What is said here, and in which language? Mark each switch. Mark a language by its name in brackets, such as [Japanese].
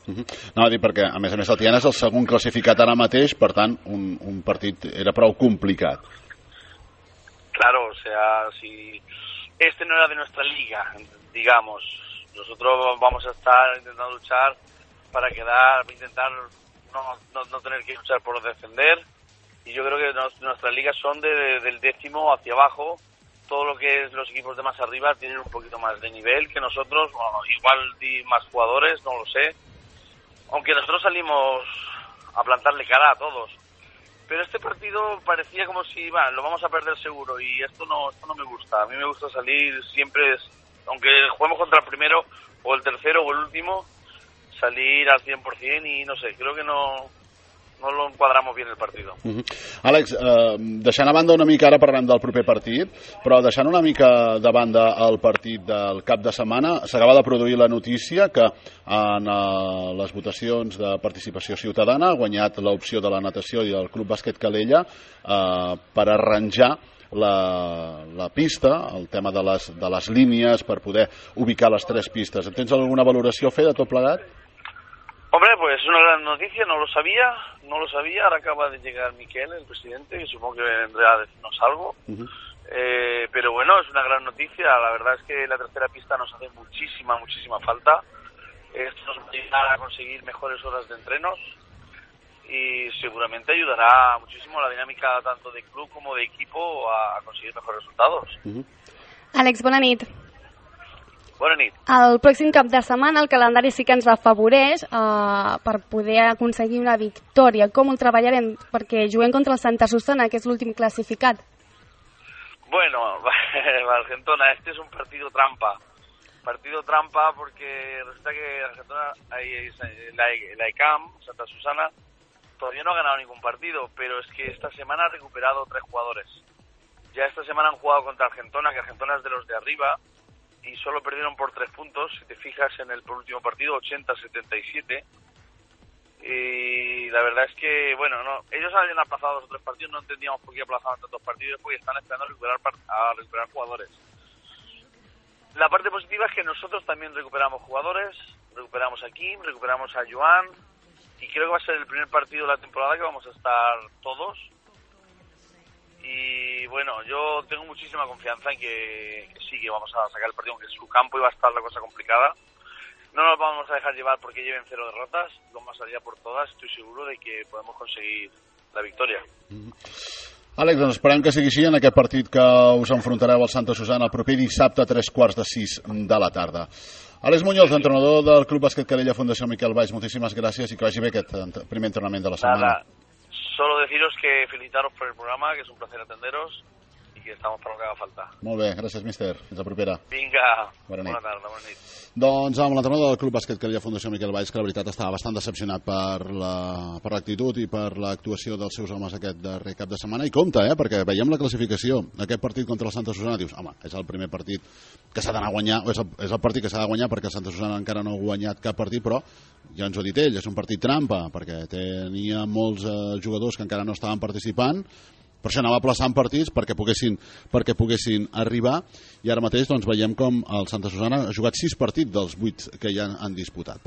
[Catalan] No, dir perquè, a més a més, el Tiana és el segon classificat ara mateix, per tant, un partit era prou complicat. [Spanish] Claro, o sea, si... Este no era de nuestra liga, digamos. Nosotros vamos a estar intentando luchar para quedar, intentar no tener que luchar por descender. Y yo creo que nuestras ligas son del décimo hacia abajo. Todo lo que es los equipos de más arriba tienen un poquito más de nivel que nosotros. Bueno, igual más jugadores, no lo sé. Aunque nosotros salimos a plantarle cara a todos. Pero este partido parecía como si, bueno, lo vamos a perder seguro y esto no me gusta. A mí me gusta salir siempre, aunque juguemos contra el primero o el tercero o el último, salir al 100% y no sé, creo que no lo encuadramos bien el partido. Uh-huh. [Catalan] Àlex, deixant a banda una mica, ara parlarem del proper partit, però deixant una mica de banda el partit del cap de setmana, s'acaba de produir la notícia que en les votacions de participació ciutadana ha guanyat l'opció de la natació i del Club Bàsquet Calella per arranjar la pista, el tema de les línies per poder ubicar les tres pistes. Tens alguna valoració a fer de tot plegat? [Spanish] Hombre, pues es una gran noticia, no lo sabía, ahora acaba de llegar Miquel, el presidente, que supongo que vendrá a decirnos algo, pero bueno, es una gran noticia, la verdad es que la tercera pista nos hace muchísima, muchísima falta, esto nos va a ayudar a conseguir mejores horas de entrenos y seguramente ayudará muchísimo la dinámica tanto de club como de equipo a conseguir mejores resultados. [Catalan] Uh-huh. Àlex, bona nit. Bona nit. El pròxim cap de setmana el calendari sí que ens afavoreix per poder aconseguir una victòria. Com ho treballarem? Perquè juguem contra el Santa Susana, que és l'últim classificat. [Spanish] Bueno, Argentona, este es un partido trampa. Partido trampa porque resulta que Argentona, la ECAM, Santa Susana, todavía no ha ganado ningún partido, pero es que esta semana ha recuperado 3 jugadores. Ya esta semana han jugado contra Argentona, que Argentona es de los de arriba, y solo perdieron por 3 puntos, si te fijas en el penúltimo partido, 80-77, y la verdad es que, bueno, no, ellos habían aplazado los otros partidos, no entendíamos por qué aplazaban tantos partidos, porque están esperando a recuperar jugadores. La parte positiva es que nosotros también recuperamos jugadores, recuperamos a Kim, recuperamos a Joan, y creo que va a ser el primer partido de la temporada que vamos a estar todos. Y bueno, yo tengo muchísima confianza en que sí, que vamos a sacar el partido, aunque en su campo iba a estar la cosa complicada. No nos vamos a dejar llevar porque lleven cero derrotas, vamos a salir por todas, estoy seguro de que podemos conseguir la victoria. [Catalan] Àlex, doncs esperem que sigui així en aquest partit que us enfrontareu al Santa Susana el proper dissabte a 5:45 de la tarda. Àlex Muñoz, entrenador del Club Bàsquet Calella Fundació Miquel Valls, moltíssimes gràcies i que vagi bé aquest primer entrenament de la setmana. [Spanish] Nada. Solo deciros que felicitaros por el programa, que es un placer atenderos y que estamos para lo que haga falta. [Catalan] Molt bé, gràcies, mister. Fins la propera. Vinga. Bona tarda, bona nit. Doncs amb l'entrenador del Club Bàsquet Calella Fundació Miquel Valls, que la veritat estava bastant decepcionat per l'actitud i per l'actuació dels seus homes aquest darrer cap de setmana. I compte, perquè veiem la classificació d'aquest partit contra el Santa Susana. Dius, home, és el primer partit que s'ha d'anar a guanyar, o és el partit que s'ha de guanyar, perquè el Santa Susana encara no ha guanyat cap partit, però ja ens ho ha dit ell, és un partit trampa, perquè tenia molts jugadors que encara no estaven participant, per això anava aplaçant partits perquè poguessin arribar, i ara mateix doncs veiem com el Santa Susana ha jugat 6 partits dels 8 que ja han disputat.